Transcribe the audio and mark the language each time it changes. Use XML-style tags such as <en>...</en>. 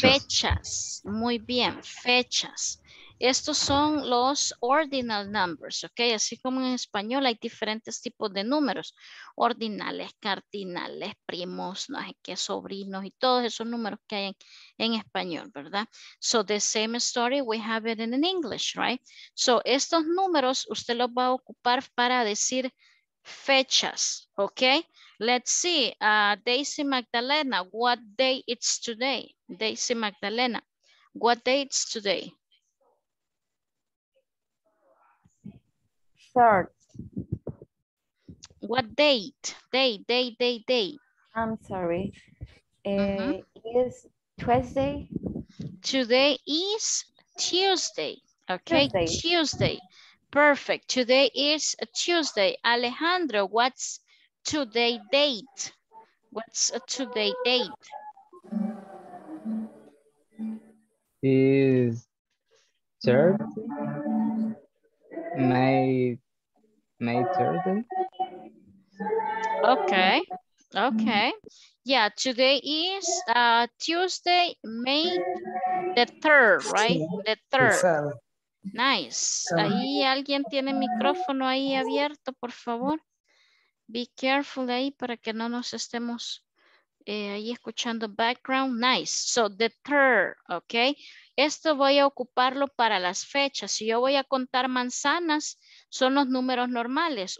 <es>Fechas. Muy bien, fechas. Estos son los ordinal numbers, okay? Así como en español hay diferentes tipos de números. Ordinales, cardinales, primos, no sé qué, sobrinos y todos esos números que hay en español, ¿verdad?</es> <en>So the same story, we have it in English, right?</en> <es>So estos números usted los va a ocupar para decir fechas, okay?</es> <en>Let's see, Daisy Magdalena, what day it's today? Daisy Magdalena, what day it's today? Third. What date? Day. I'm sorry. Is Tuesday? Today is Tuesday. Okay, Tuesday. Perfect. Today is a Tuesday. Alejandro, what's today date? What's a today date? Is third. May 3rd. Okay. Okay. Yeah, today is Tuesday, May the 3rd, right? The 3rd. Nice.</en> <es>Ahí alguien tiene micrófono ahí abierto, por favor. Be careful ahí para que no nos estemos ahí escuchando background. Nice. So the third, ok. Esto voy a ocuparlo para las fechas. Si yo voy a contar manzanas, son los números normales.</es>